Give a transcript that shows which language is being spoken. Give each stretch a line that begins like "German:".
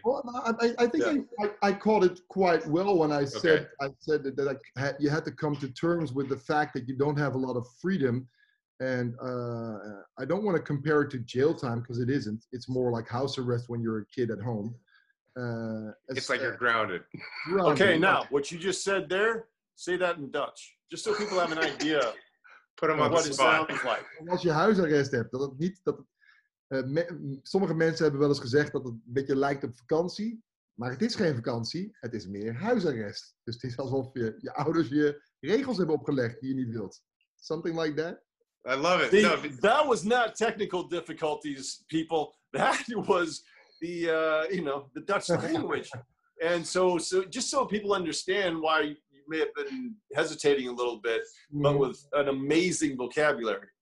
English: Well, I think I called it quite well when I said that you had to come to terms with the fact that you don't have a lot of freedom. And I don't want to compare it to jail time, because it isn't. It's more like house arrest when you're a kid at home. It's like you're grounded. Okay, now, what you just said there, say that in Dutch, just so people have an idea. Put them on what the spot. It sounds like.
Dutch: Als je huis arrest hebt, dat het niet... sommige mensen hebben wel eens gezegd dat het een beetje lijkt op vakantie. Maar het is geen vakantie, het is meer huisarrest. Dus het is alsof je ouders je regels hebben opgelegd die je niet wilt.
English: Something like that. I love it. That was not technical difficulties, people. That was the, you know, the Dutch language. And so just so people understand why you may have been hesitating a little bit, but with an amazing vocabulary.